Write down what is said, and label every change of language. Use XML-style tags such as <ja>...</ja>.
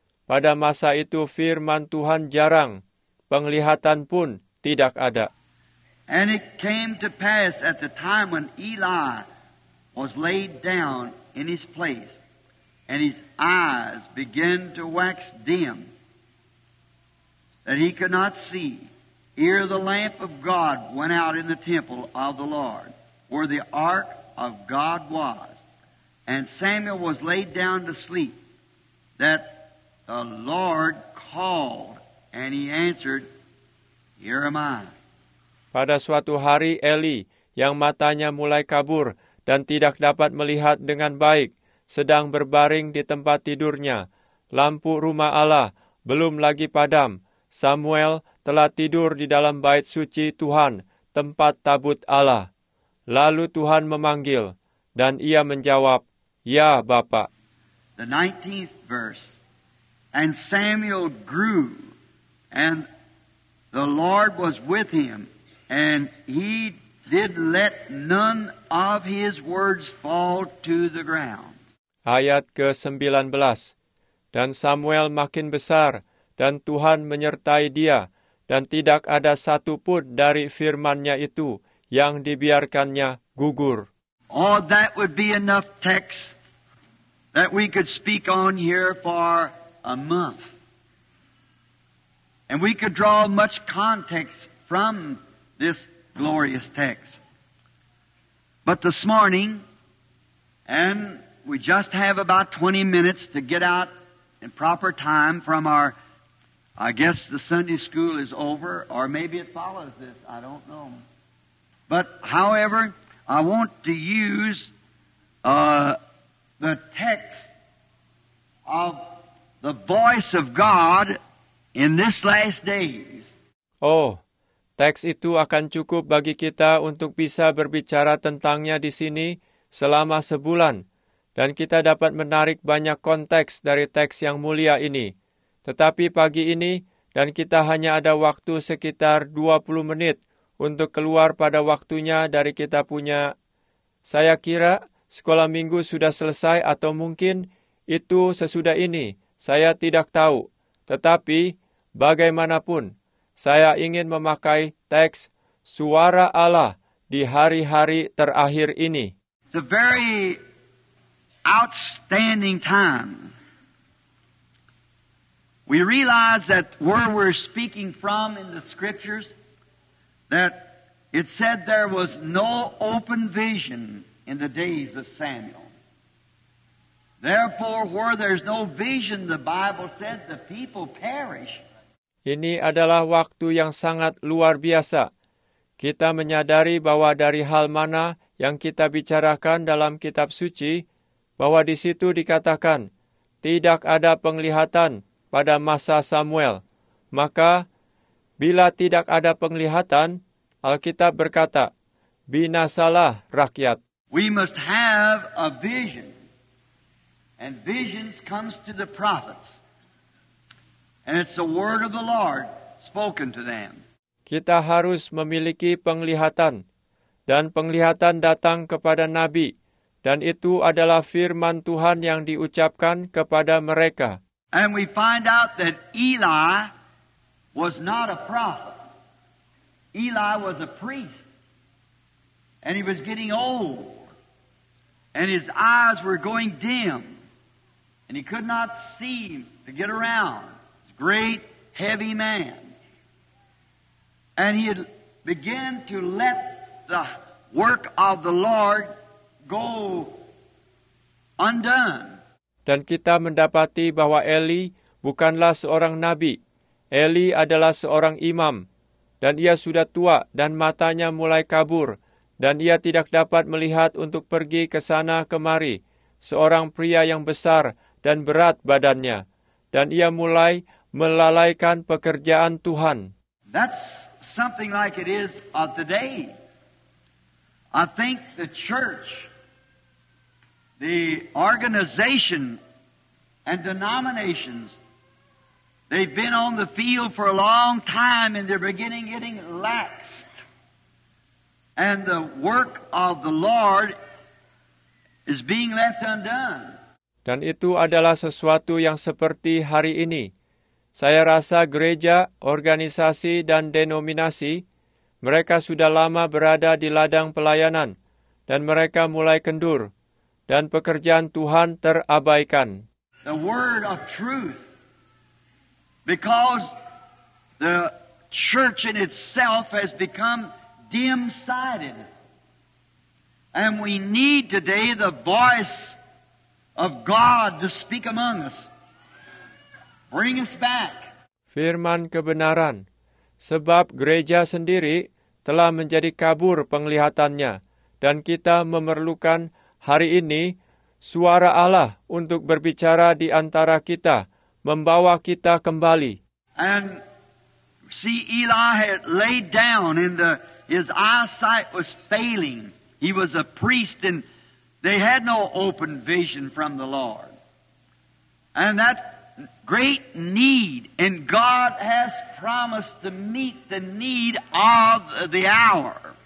<id>Pada masa itu firman Tuhan jarang, penglihatan pun tidak ada.</id> <en>And it came to pass at the time when Eli was laid down in his place, and his eyes began to wax dim, that he could not see, ere the lamp of God went out in the temple of the Lord, where the ark of God was. And Samuel was laid down to sleep, that the Lord called, and he answered, Here am I.</en> <id>Pada suatu hari Eli, yang matanya mulai kabur dan tidak dapat melihat dengan baik, sedang berbaring di tempat tidurnya. Lampu rumah Allah belum lagi padam. Samuel telah tidur di dalam bait suci Tuhan, tempat tabut Allah. Lalu Tuhan memanggil, dan ia menjawab, Ya, Bapak.</id> <en>The 19th verse. And Samuel grew, and the Lord was with him, and he did let none of his words fall to the ground.</en> <id>Ayat ke-19. Dan Samuel makin besar, dan Tuhan menyertai dia, dan tidak ada satu pun dari firman-Nya itu yang dibiarkannya gugur.</id> <en>Oh, that would be enough text that we could speak on here for a month. And we could draw much context from this glorious text. But this morning, and we just have about 20 minutes to get out in proper time from our, I guess the Sunday school is over, or maybe it follows this, I don't know. But however, I want to use the text of the voice of God in this last days.</en> <id>Oh, teks itu akan cukup bagi kita untuk bisa berbicara tentangnya di sini selama sebulan, dan kita dapat menarik banyak konteks dari teks yang mulia ini. Tetapi pagi ini, dan kita hanya ada waktu sekitar 20 menit untuk keluar pada waktunya dari kita punya. Saya kira sekolah minggu sudah selesai atau mungkin itu sesudah ini. Saya tidak tahu, tetapi bagaimanapun, saya ingin memakai teks suara Allah di hari-hari terakhir ini.</id> <en>It's a very outstanding time. We realize that where we're speaking from in the scriptures, that it said there was no open vision in the days of Samuel. Therefore, where there's no vision, the Bible said the people perish.</en> <id>Ini adalah waktu yang sangat luar biasa. Kita menyadari bahwa dari hal mana yang kita bicarakan dalam kitab suci, bahwa di situ dikatakan, tidak ada penglihatan pada masa Samuel. Maka, bila tidak ada penglihatan, Alkitab berkata, binasalah rakyat.</id> <en>We must have a vision. And visions comes to the prophets. And it's the word of the Lord spoken to them.</en> <id>Kita harus memiliki penglihatan. Dan penglihatan datang kepada nabi. Dan itu adalah firman Tuhan yang diucapkan kepada mereka.</id> <en>And we find out that Eli was not a prophet. Eli was a priest. And he was getting old. And his eyes were going dim. And he could not see to get around. He's a great, heavy man. And he had begun to let the work of the Lord go undone.</en> <id>Dan kita mendapati bahwa Eli bukanlah seorang nabi. Eli adalah seorang imam. Dan ia sudah tua dan matanya mulai kabur. Dan ia tidak dapat melihat untuk pergi ke sana kemari. Seorang pria yang besar dan berat badannya. dan ia mulai melalaikan pekerjaan Tuhan.</id> <en>That's something like it is of today. I think the church, the organization and denominations, they've been on the field for a long time and they're beginning getting laxed. And the work of the Lord is being left undone.</en> <id>Dan itu adalah sesuatu yang seperti hari ini. Saya rasa gereja, organisasi, dan denominasi, mereka sudah lama berada di ladang pelayanan, dan mereka mulai kendur, dan pekerjaan Tuhan terabaikan.</id> <en>The word of truth, because the church in itself has become dim-sighted, and we need today the voice of God to speak among us. Bring us back.</en> <id>Firman kebenaran, sebab gereja sendiri telah menjadi kabur penglihatannya, dan kita memerlukan hari ini suara Allah untuk berbicara di antara kita, membawa kita kembali.</id> <en>And see, Eli had laid down, and his eyesight was failing. He was a priest, and they had no open vision from the Lord. And that great need, and God has promised to meet the need of the hour.</en>